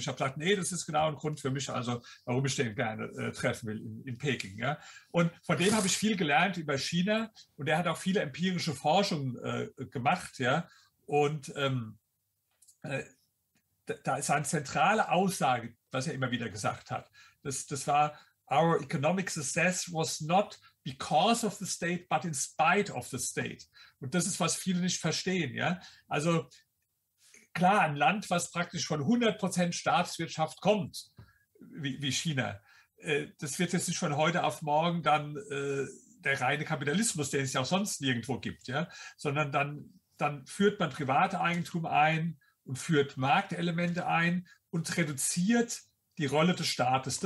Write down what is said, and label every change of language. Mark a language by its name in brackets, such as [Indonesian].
[German] Ich habe gesagt, nee, das ist genau ein Grund für mich, also warum ich den gerne treffen will in Peking. Ja. Und von dem habe ich viel gelernt über China und der hat auch viele empirische Forschungen gemacht. Ja. Und da ist eine zentrale Aussage, was er immer wieder gesagt hat. Das war, [English] our economic success was not because of the state, but in spite of the state. [German] Und das ist, was viele nicht verstehen. Ja. Also klar, ein Land, was praktisch von 100% Staatswirtschaft kommt, wie China, das wird jetzt nicht von heute auf morgen dann der reine Kapitalismus, den es ja auch sonst nirgendwo gibt, ja, sondern dann führt man Privateigentum ein und führt Marktelemente ein und reduziert die Rolle des Staates.